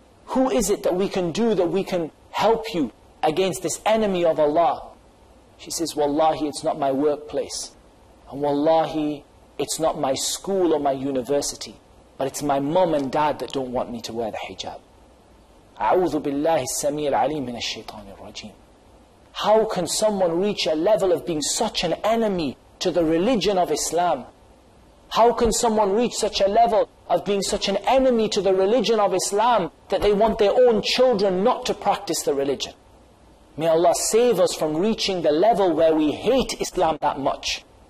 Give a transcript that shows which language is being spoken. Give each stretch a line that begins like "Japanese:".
English: Who is it that we can do that we can help you against this enemy of Allah? She says, wallahi, it's not my workplace. And wallahi, it's not my school or my university. But it's my mom and dad that don't want me to wear the hijab.
Arabic: أعوذ بالله السميع العليم من الشيطان الرجيم.
English: How can someone reach a level of being such an enemy to the religion of Islam? How can someone reach such a level of being such an enemy to the religion of Islam that they want their own children not to practice the religion? May Allah save us from reaching the level where we hate Islam that much.